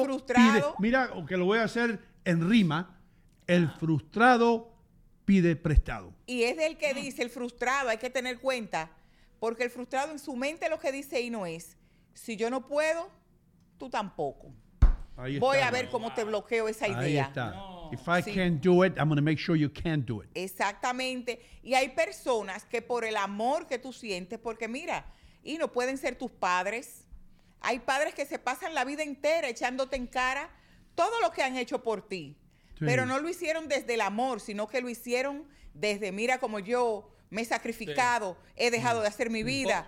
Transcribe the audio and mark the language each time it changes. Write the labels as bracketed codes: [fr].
[es] El frustrado pide, mira, que lo voy a hacer en rima. El frustrado pide prestado. Y es del que dice, el frustrado, hay que tener cuenta. Porque el frustrado en su mente lo que dice y no es, si yo no puedo, tú tampoco. Ahí voy está, a ver bro. Cómo te bloqueo esa ahí idea. Ahí está. [en] If I can't do it, I'm going to make sure you can't do it. [es] Exactamente. Y hay personas que por el amor que tú sientes, porque mira, y no pueden ser tus padres. Hay padres que se pasan la vida entera echándote en cara todo lo que han hecho por ti. Sí. Pero no lo hicieron desde el amor, sino que lo hicieron desde, mira, como yo me he sacrificado, he dejado de hacer mi vida.